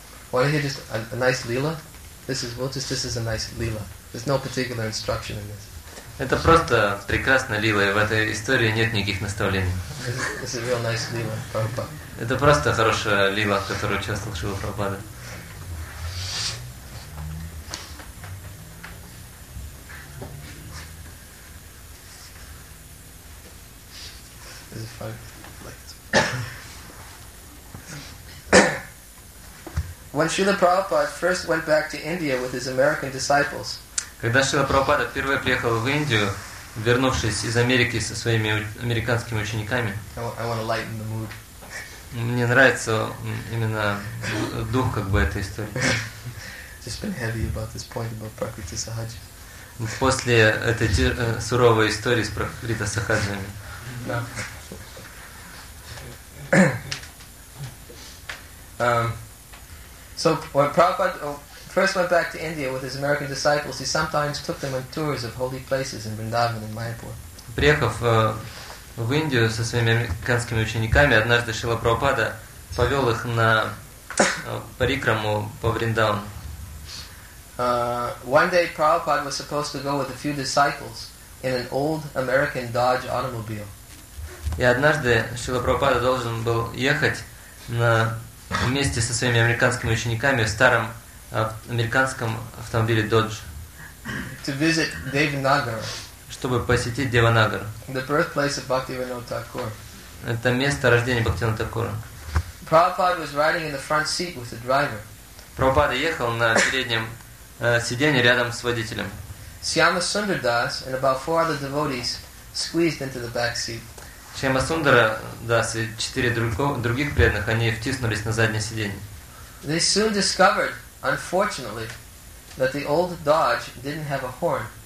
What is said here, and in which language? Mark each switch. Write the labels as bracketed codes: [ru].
[en] Why don't you just a nice lila? This is a nice lila. There's no particular instruction in this. [ru] Это просто прекрасная лила, и в этой истории нет никаких наставлений. [en] This is a real nice lila, Prabhupada. [ru] Это просто хорошая лила, в которой участвовал Шрила Прабхупада. [en] When Srila Prabhupada first went back to India with his American disciples, [ru] когда Шрила Прабхупада впервые приехал в Индию, вернувшись из Америки со своими американскими учениками, [en] I want to lighten the mood. [ru] Мне нравится именно дух как бы этой истории. [en] Just been heavy about this point about Prakriti Sahaja. [ru] После этой суровой истории с Прокрита Сахаджами. [en] So when Prabhupada first went back to India with his American disciples, he sometimes took them on tours of holy places in Vrindavan and Mayapur. [ru] Приехав в Индию со своими американскими учениками, однажды Шрила Прабхупада повел их на парикраму по Вриндавану. [en] One day Prabhupada was supposed to go with a few disciples in an old American Dodge automobile. [ru] И однажды Шрила Прабхупада должен был ехать на вместе со своими американскими учениками в старом американском автомобиле Dodge. [en] To visit Devanagara. [ru] Чтобы посетить Деванагару. [en] The birthplace of Bhaktivinoda Thakur. [ru] Это место рождения Бхактивинода Тхакура. [en] Prabhupada was riding in the front seat with the driver. [ru] Прабхупада ехал на переднем сиденье рядом с водителем. [en] Shyama Sundardas and about four other devotees squeezed into the back seat. [ru] Шрила Прабхупада, да, и четыре других преданных, они втиснулись на заднее сиденье. [en] They soon discovered, unfortunately, that the old Dodge didn't have a horn.